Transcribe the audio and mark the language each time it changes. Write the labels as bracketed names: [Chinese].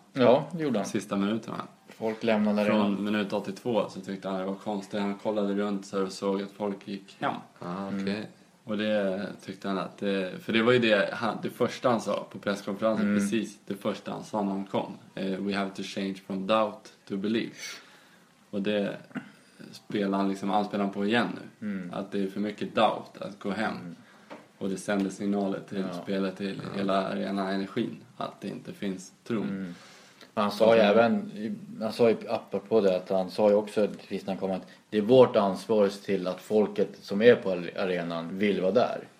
[Swedish] Ja, det gjorde han. Sista minuten. Folk lämnade från redan. Minut 82 så tyckte han det var konstigt. Han kollade runt så och såg att folk gick hem. Och det tyckte han att det, för det var ju det, han, det första han sa på presskonferensen, precis det första han sa när han kom. [English] We have to change from doubt to believe. [Swedish] Och det spelar han liksom, allt spelar han på igen nu. Att det är för mycket doubt att gå hem. Och det sänder signaler till spelet, till hela arena energin. Att det inte finns tro. Han sa ju även, han sa ju apropå det, att han sa ju också precis när han kom att det är vårt ansvar till att folket som är på arenan vill vara där.